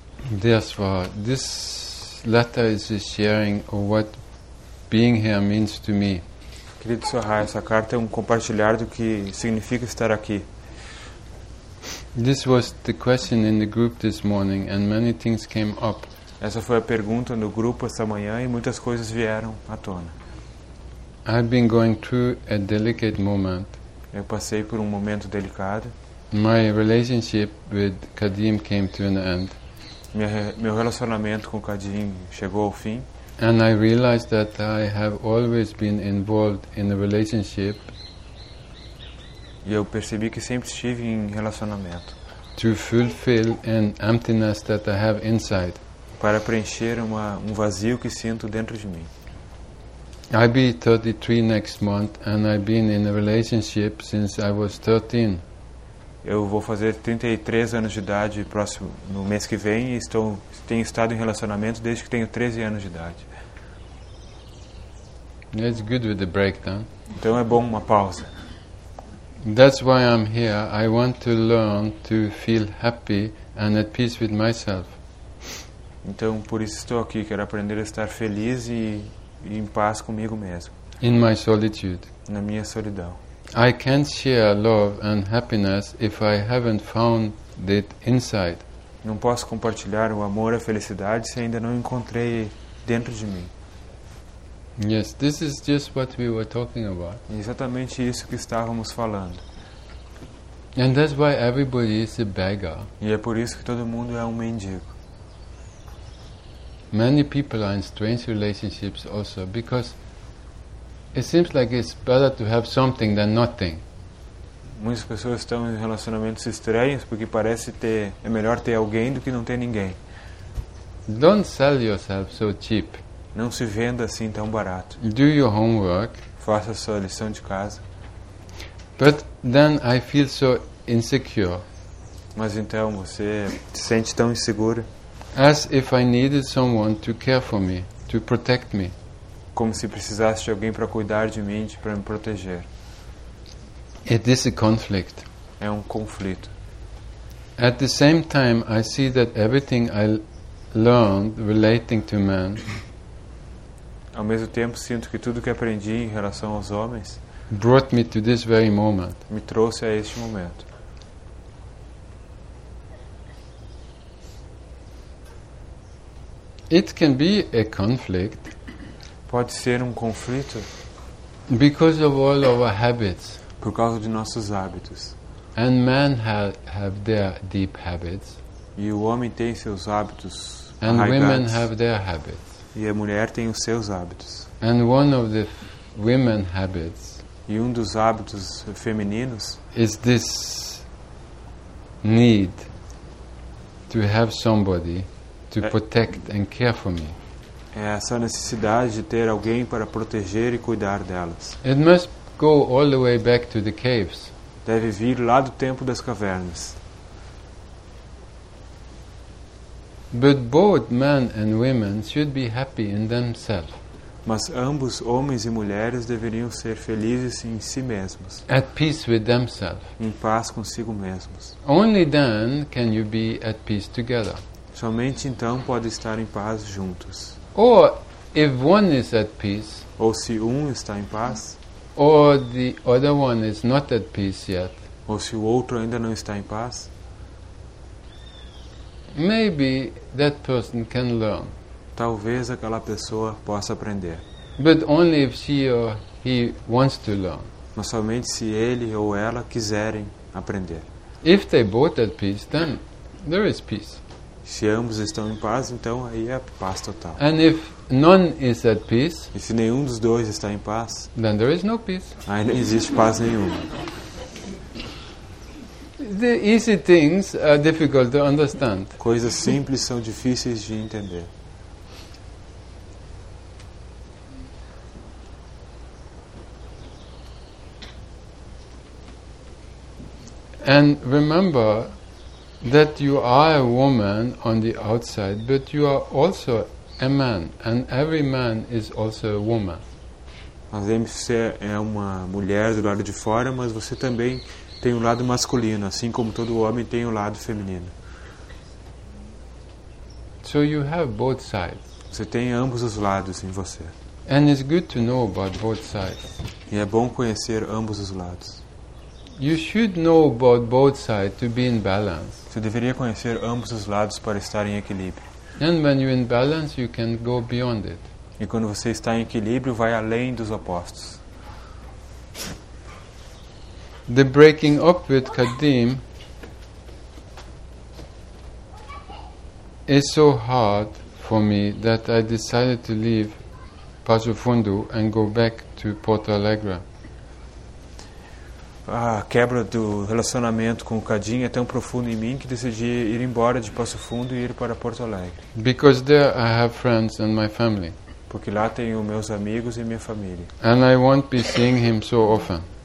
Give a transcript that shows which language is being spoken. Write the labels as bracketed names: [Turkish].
[English] Therefore, this letter is a sharing of what being here means to me. [Portuguese] Querido Sohar, essa carta é compartilhar do que significa estar aqui. [English] This was the question in the group this morning, and many things came up. [Portuguese] Essa foi a pergunta no grupo esta manhã e muitas coisas vieram à tona. [English] I've been going through a delicate moment. [Portuguese] Eu passei por momento delicado. [English] My relationship with Kadim came to an end. [Portuguese] Meu relacionamento com Kadim chegou ao fim. [English] And I realized that I have always been involved in a relationship. [Portuguese] E eu percebi que sempre estive em relacionamento. [English] To fulfill an emptiness that I have inside. [Portuguese] para preencher um vazio que sinto dentro de mim. [English] I'll be 33 next month and I've been in a relationship since I was 13. [Portuguese] Eu vou fazer 33 anos de idade próximo no mês que vem e tenho estado em relacionamento desde que tenho 13 anos de idade. [English] That's good with the breakdown. [Portuguese] Então é bom uma pausa. [English] That's why I'm here. I want to learn to feel happy and at peace with myself. [Portuguese] Então por isso estou aqui, quero aprender a estar feliz e em paz comigo mesmo. [English] In my solitude. [Portuguese] Na minha solidão. [English] I can't share love and happiness if I haven't found it inside. [Portuguese] Não posso compartilhar o amor e a felicidade se ainda não encontrei dentro de mim. [English] Yes, this is just what we were talking about. [Portuguese] Exatamente isso que estávamos falando. [English] And that's why everybody is a beggar. [Portuguese] E é por isso que todo mundo é um mendigo. [English] Many people are in strange relationships also because it seems like it's better to have something than nothing. [Portuguese] Muitas pessoas estão em relacionamentos estranhos porque parece ter é melhor ter alguém do que não ter ninguém. [English] Don't sell yourself so cheap. [Portuguese] Não se venda assim tão barato. [English] Do your homework. [Portuguese] Faça sua lição de casa. [English] But then I feel so insecure. [Portuguese] Mas então você se sente tão insegura. [English] As if I needed someone to care for me, to protect me. [Portuguese] Como se precisasse de alguém para cuidar de mim, para me proteger. [English] It is a conflict. [Portuguese] É um conflito. [English] At the same time, I see that everything I learned relating to men. [Portuguese] Ao mesmo tempo, sinto que tudo que aprendi em relação aos homens. [English] Brought me to this very moment. [Portuguese] Me trouxe a este momento. [English] It can be a conflict. [Portuguese] Pode ser um conflito. [English] Because of all our habits. [Portuguese] Por causa de nossos hábitos. [English] And men have their deep habits. [Portuguese] E o homem tem seus hábitos. [English] And women have their habits. [Portuguese] E a mulher tem os seus hábitos. [English] And one of the women habits. [Portuguese] E um dos hábitos femininos. [English] Is this need to have somebody to protect and care for me. [Portuguese] É essa necessidade de ter alguém para proteger e cuidar delas. [English] It must go all the way back to the caves. [Portuguese] Deve vir lá do tempo das cavernas. [English] But both men and women should be happy in themselves. [Portuguese] Mas ambos, homens e mulheres, deveriam ser felizes em si mesmos. [English] At peace with themselves. [Portuguese] Em paz consigo mesmos. [English] Only then can you be at peace together. [Portuguese] Somente então pode estar em paz juntos. [English] Or if one is at peace, [Portuguese] ou se um está em paz, [English] or the other one is not at peace yet, [Portuguese] ou se o outro ainda não está em paz, [English] maybe that person can learn. [Portuguese] Talvez aquela pessoa possa aprender. [English] But only if she or he wants to learn. [Portuguese] Mas somente se ele ou ela quiserem aprender. [English] If they both at peace, then there is peace. [Portuguese] Se ambos estão em paz, então aí é paz total. [English] And if none is at peace, [Portuguese] e se nenhum dos dois está em paz, [English] then there is no peace. [Portuguese] Aí não existe paz nenhuma. [English] The easy things are difficult to understand. [Portuguese] Coisas simples são difíceis de entender. [English] And remember that you are a woman on the outside, but you are also a man, and every man is also a woman. [Portuguese] Mas você é uma mulher do lado de fora, mas você também tem um lado masculino, assim como todo homem tem um lado feminino. [English] So you have both sides. [Portuguese] Você tem ambos os lados em você. [English] And it's good to know about both sides. [Portuguese] E é bom conhecer ambos os lados. [English] You should know about both sides to be in balance. [Portuguese] Você deveria conhecer ambos os lados para estar em equilíbrio. [English] And when you're in balance, you can go beyond it. [Portuguese] E quando você está em equilíbrio, vai além dos opostos. [English] The breaking up with Kadim is so hard for me that I decided to leave Passo Fundo and go back to Porto Alegre. [Portuguese] a quebra do relacionamento com o Cadinho é tão profundo em mim que decidi ir embora de Passo Fundo e ir para Porto Alegre. [English] Because there I have friends and my family. [Portuguese] Porque lá tenho meus amigos e minha família. [English] And I won't be seeing him so often.